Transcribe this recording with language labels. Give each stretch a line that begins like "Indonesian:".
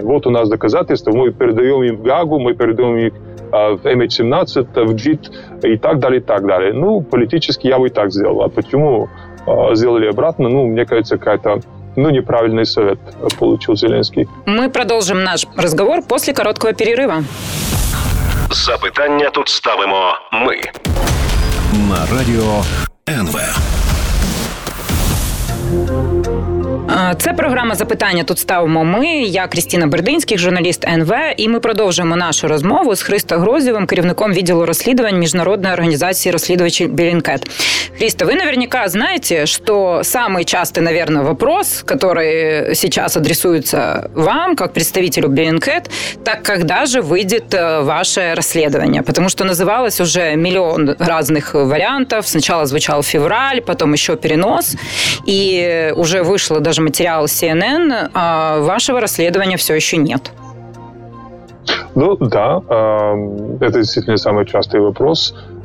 Russian: Вот у нас доказательства, мы передаем их в Гагу, мы передаем их в MH17, в JIT и так далее, и так далее. Ну, политически я бы и так сделал. А почему сделали обратно? Ну, мне кажется, какая-то неправильный совет получил Зеленский. Мы продолжим наш разговор после короткого перерыва.
Ukrainian: Запитання тут ставимо ми. На радіо НВ. Це програма «Запитання тут ставимо ми». Я Крістіна Бердинських, журналіст НВ. І ми продовжуємо нашу розмову з Христо Грозєвим, керівником відділу розслідувань Міжнародної організації розслідувачів «Bellingcat».
Russian: Христо, ви наверняка
Ukrainian: знаєте, що
Russian: самий частий, наверное, вопрос, который сейчас адресується вам, как представителю «Bellingcat», так когда же выйдет ваше розслідування? Потому
Ukrainian: що називалось уже мільйон різних варіантів. Сначала звучав февраль, потім ще перенос. І уже вийшло
Russian: даже материал CNN, а вашего расследования все еще нет. Ну да, это действительно самый частый вопрос.